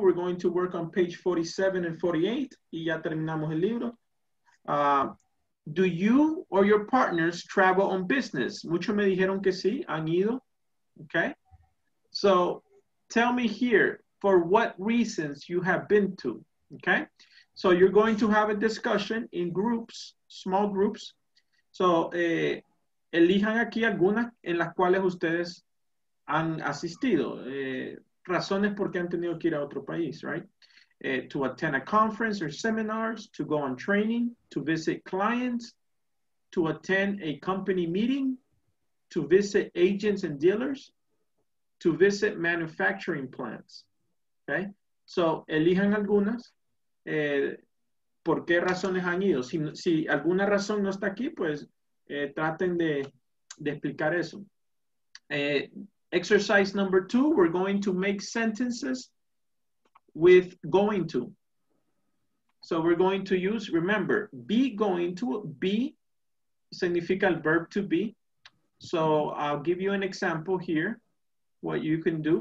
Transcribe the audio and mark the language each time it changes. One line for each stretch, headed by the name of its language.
English: We're going to work on page 47 and 48.
Spanish: Y ya terminamos el libro.
English: Do you or your partners travel on business?
Spanish: Muchos me dijeron que sí, han ido,
English: okay? So tell me here, for what reasons you have been to, okay? So you're going to have a discussion in groups, small groups.
Spanish: So elijan aquí algunas en las cuales ustedes han asistido. Razones por qué han tenido que ir a otro país, right?
English: To attend a conference or seminars, to go on training, to visit clients, to attend a company meeting, to visit agents and dealers, to visit manufacturing plants, okay?
Spanish: So, elijan algunas. ¿Por qué razones han ido? Si alguna razón no está aquí, pues traten de explicar eso.
English: Exercise number two, we're going to make sentences with going to. So we're going to use, remember, be going to, be significa el verb to be. So I'll give you an example here, what you can do.